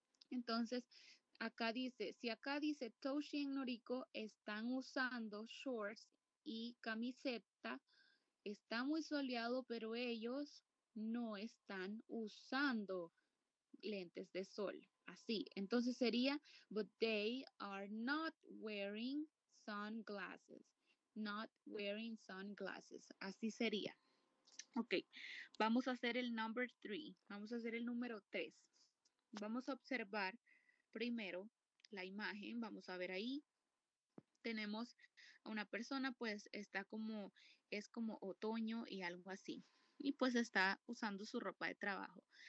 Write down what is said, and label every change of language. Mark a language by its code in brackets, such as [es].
[es] Entonces, acá dice, si acá dice Toshi y Noriko están usando shorts y camiseta, está muy soleado, pero ellos no están usando lentes de sol. Así. Entonces sería, [en] but they are not wearing sunglasses. Not wearing sunglasses. Así sería. [es] Ok, vamos a hacer el number three, vamos a hacer el número tres. Vamos a observar primero la imagen, vamos a ver ahí. Tenemos a una persona, pues está como, es como otoño y algo así. Y pues está usando su ropa de trabajo.